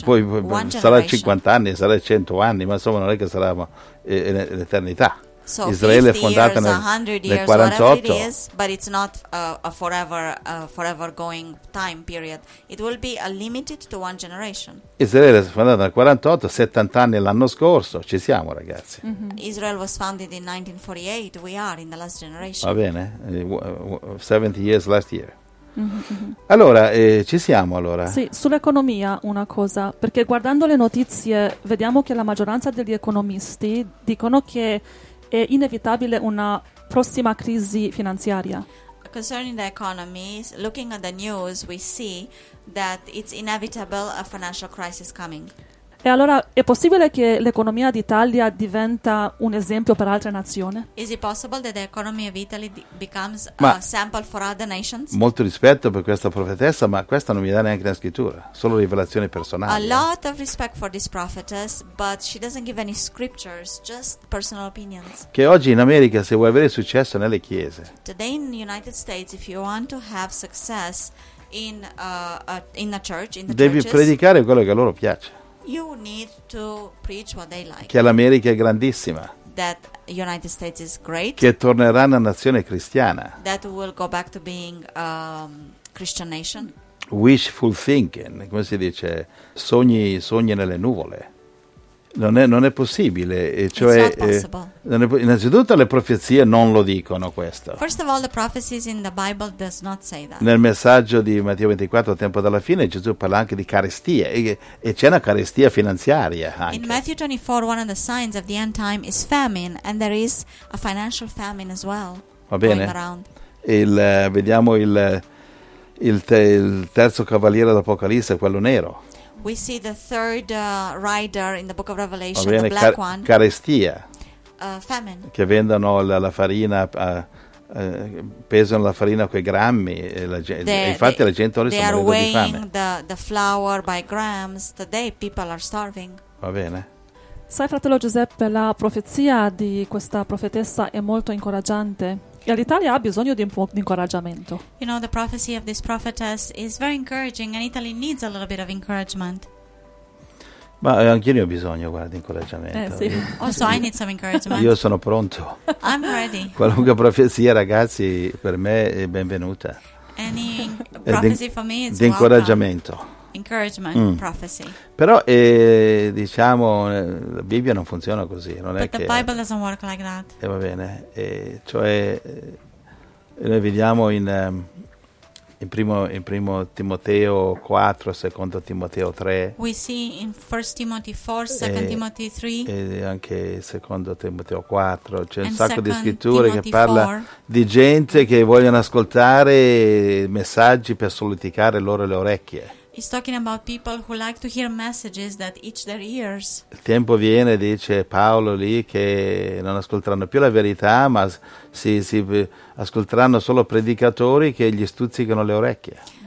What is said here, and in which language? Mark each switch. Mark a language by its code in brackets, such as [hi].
[it] E poi sarà 50 anni, sarà 100 anni, ma insomma non è che sarà l'eternità. [en] So [it] Israele è fondata nel 48, [en] whatever it is, but it's not a forever going time period. It will be a limited to one generation. [it] Israele è fondata nel 48, 70 anni l'anno scorso, ci siamo ragazzi. Mm-hmm. [en] Israel was founded in 1948, we are in the last generation. [it] Va bene, [en] 70 years last year. [it] Allora, ci siamo allora. Sì, sull'economia una cosa, perché guardando le notizie vediamo che la maggioranza degli economisti dicono che è inevitabile una prossima crisi finanziaria. [en] Concerning the economy, looking at the news, we see that it's inevitable a financial crisis coming. [it] E allora è possibile che l'economia d'Italia diventa un esempio per altre nazioni? [en] Is it possible that the economy of Italy becomes a sample for other nations? [it] Molto rispetto per questa profetessa, ma questa non mi dà neanche la scrittura, solo rivelazioni personali. [en] A lot of respect for this prophetess, but she doesn't give any scriptures, just personal opinions. [it] Che oggi in America, se vuoi avere successo nelle chiese. [en] Today in the United States, if you want to have success in the churches. [it] Devi predicare quello che a loro piace. [en] You need to preach what they like. [it] Che l'America è grandissima. [en] That United States is great. [it] Che tornerà una nazione cristiana. [en] That will go back to being a Christian nation. Wishful thinking, [it] come si dice, sogni nelle nuvole. Non è possibile, e cioè innanzitutto le profezie non lo dicono questo. [en] First of all, the prophecies in the Bible does not say that. [it] Nel messaggio di Matteo 24, tempo della fine, Gesù parla anche di carestia e c'è una carestia finanziaria anche. [en] In Matthew 24, one of the signs of the end time is famine, and there is a financial famine as well. [it] Va bene. Vediamo il terzo cavaliere d'Apocalisse, quello nero. [en] We see the third rider in the book of Revelation, the black one. [it] Carestia. [en] Famine. [it] Che vendono la farina, pesano la farina coi grammi. La gente ora sta morendo di fame. [en] They are weighing the flour by grams. Today people are starving. [it] Va bene. Sai, fratello Giuseppe, la profezia di questa profetessa è molto incoraggiante. E l'Italia ha bisogno di un po' di incoraggiamento. [en] You know, the prophecy of this prophetess is very encouraging, and Italy needs a little bit of encouragement. [it] Ma anche io ho bisogno, guarda, di incoraggiamento. Sì. [en] Also, I need some encouragement. [it] Io sono pronto. [en] I'm ready. [it] Qualunque profezia, ragazzi, per me è benvenuta. [en] Any prophecy for me is welcome. [it] Di incoraggiamento. [en] Encouragement, prophecy. [it] Però, diciamo, la Bibbia non funziona così. Non [en] But [it] è [en] the [it] che, [en] Bible doesn't work like that. [it] E va bene. Cioè, noi vediamo in primo Timoteo 4, secondo Timoteo 3. [en] We see in 1 Timothy 4, 2 Timothy 3. [it] E anche secondo Timoteo 4. C'è un sacco di scritture Timothy che parla 4. Di gente che vogliono ascoltare messaggi per solleticare loro le orecchie. [en] He's talking about people who like to hear messages that itch their ears. [it] Il tempo viene, dice Paolo lì, che non ascolteranno più la verità, ma si ascolteranno solo predicatori che gli stuzzicano le orecchie.